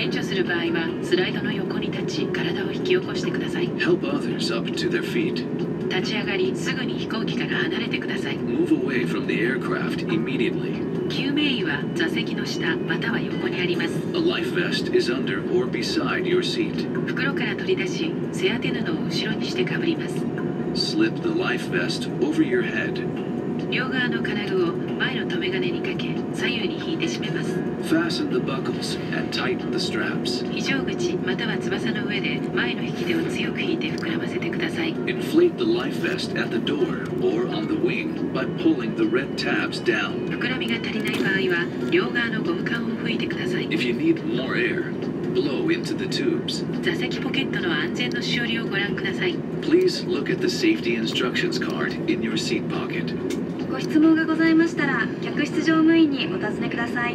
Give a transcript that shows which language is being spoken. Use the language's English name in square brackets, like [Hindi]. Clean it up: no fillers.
[Japanese] 援助する場合は、スライドの横に立ち、体を引き起こしてください。 [English] Help others up to their feet. [Japanese] 立ち上がり、すぐに飛行機から離れてください。 [English] Move away from the aircraft immediately. [Japanese] 救命衣は座席の下、または横にあります。 [English] A life vest is under or beside your seat. [Japanese] 袋から取り出し、背当て布を後ろにしてかぶります。 [English] Slip the life vest over your head. [Japanese] 両側の金具を前の留め金にかけ、左右に引いて締めます。 [English] Fasten the buckles and tighten the straps. [Japanese] 非常口または翼の上で前の引き手を強く引いて膨らませてください。 [English] Inflate the life vest at the door or on the wing by pulling the red tabs down. [Japanese] 膨らみが足りない場合は、両側のゴム管を吹いてください。 [English] If you need more air,Blow into the tubes. [Japanese] 座席ポケットの安全の修理をご覧ください。 [English] Please look at the safety instructions card in your seat pocket. [Japanese] ご質問がございましたら、客室乗務員にお尋ねください。